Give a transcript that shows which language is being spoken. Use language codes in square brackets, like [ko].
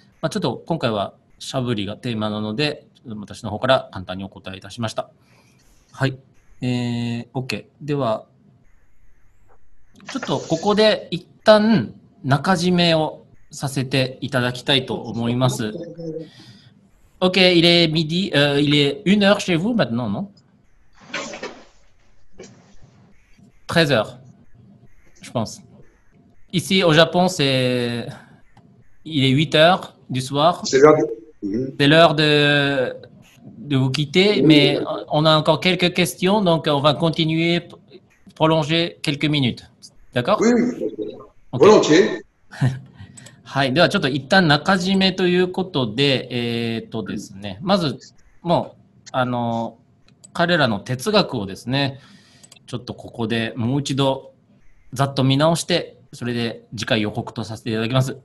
[ja] まあ、ちょっと今回はシャブリがテーマなので、私の方から簡単にお答えいたしました。はい。OK。では、ちょっとここで一旦中締めをさせていただきたいと思います。 [fr] OK、il est midi, il est une heure chez vous maintenant, non? 13 heures, je pense. Ici, au Japon, c'est... il est 8 heures du soir. C'est l'heure de... C'est l'heure de vous quitter, mais on a encore quelques questions, donc on va continuer, prolonger quelques minutes. D'accord ? Oui, okay. Volontiers. [ja] はい、ではちょっと一旦中締めということで、ですね、まず、もう、彼らの哲学をですね、ちょっとここでもう一度、ざっと見直して、それで次回予告とさせていただきます。